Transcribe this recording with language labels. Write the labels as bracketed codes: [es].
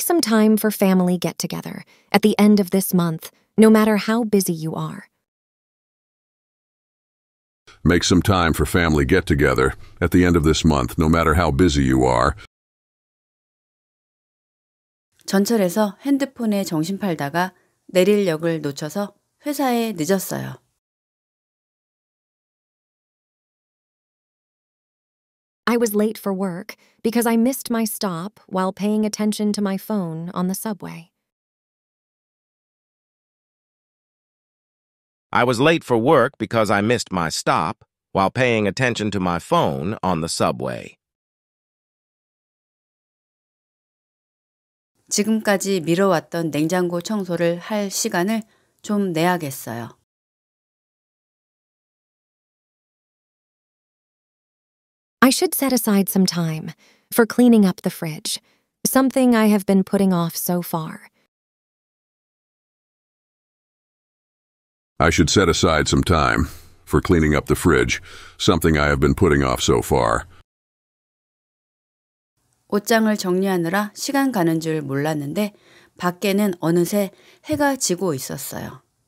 [en] some time for family get-together at the end of this month, no matter how busy you are. Make some time for family get-together at the end of this month, no matter how busy you are. [ko] 전철에서 핸드폰에 정신 팔다가 내릴 역을 놓쳐서 회사에 늦었어요. [en] I was late for work because I missed my stop while paying attention to my phone on the subway. I was late for work because I missed my stop while paying attention to my phone on the subway. [ko] 지금까지 미뤄왔던 냉장고 청소를 할 시간을 좀 내야겠어요. [en] I should set aside some time for cleaning up the fridge, something I have been putting off so far. I should set aside some time for cleaning up the fridge, something I have been putting off so far. [ko] 옷장을 정리하느라 시간 가는 줄 몰랐는데 밖에는 어느새 해가 지고 있었어요.